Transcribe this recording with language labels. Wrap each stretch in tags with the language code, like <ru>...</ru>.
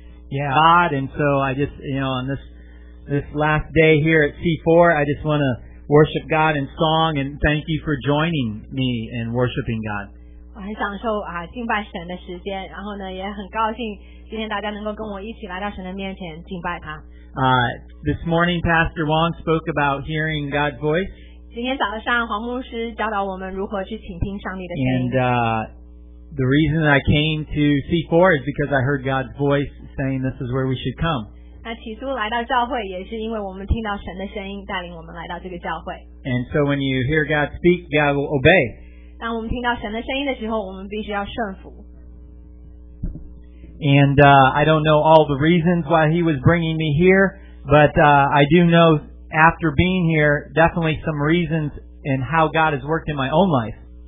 <en>Yeah, God, and so I just, you know, on this last day here at C4, I just want to worship God in song and thank you for joining me in worshiping God.</en> <zh>我很享受敬拜神的时间，然后呢，也很高兴今天大家能够跟我一起来到神的面前敬拜他。</zh> <en>This morning, Pastor Wong spoke about hearing God's voice.</en> <zh>今天早上，黄牧师教导我们如何去倾听上帝的声音。</zh> <en>And the reason that I came to C4 is because I heard God's voice saying this is where we should come.</en> <zh>那起初来到教会也是因为我们听到神的声音带领我们来到这个教会。</zh> <en>And so when you hear God speak, God will obey.</en> <zh>当我们听到神的声音的时候，我们必须要顺服。</zh> <en>And I don't know all the reasons why He was bringing me here, but I do know after being here, definitely some reasons in how God has worked in my own life.</en>